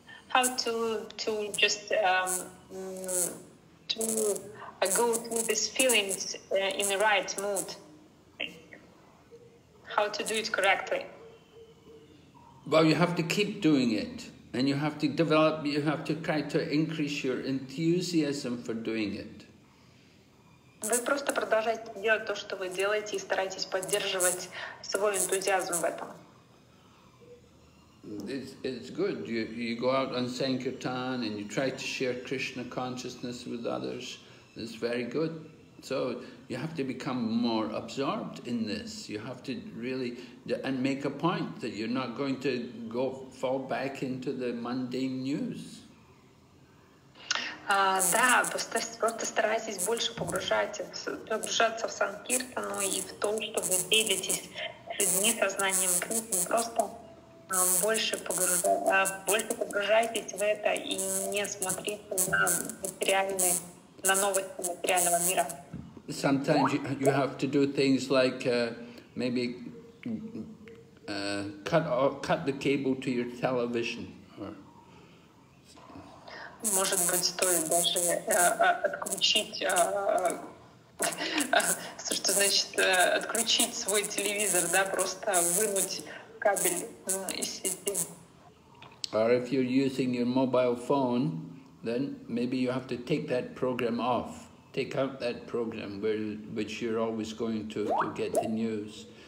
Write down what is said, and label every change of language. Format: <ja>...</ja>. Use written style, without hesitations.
<en>How to go through these feelings in the right mood? How to do it correctly? Well, you have to keep doing it. And you have to develop, you have to try to increase your enthusiasm for doing it.</en> <ru>Вы просто продолжайте делать то, что вы делаете, и старайтесь поддерживать свой энтузиазм в этом.</ru> <en>It's good. You go out on Sankirtan and you try to share Krishna consciousness with others. It's very good. So you have to become more absorbed in this. You have to really and make a point that you're not going to go fall back into the mundane news.</en> <ru>Да, просто старайтесь больше погружаться в Санкиртану и в то, что вы делитесь людьми со знанием Кришны. Просто больше погружайтесь в это и не смотрите на материальные, на новости материального мира.</ru> <en>Sometimes you have to do things like cut the cable to your television.</en> <ru>Может быть, стоит даже отключить, что значит отключить свой телевизор, да, просто вынуть кабель из сети.</ru> <en>Or if you're using your mobile phone, then maybe you have to take that program off. Take out that program which you're always going to get the news.</en>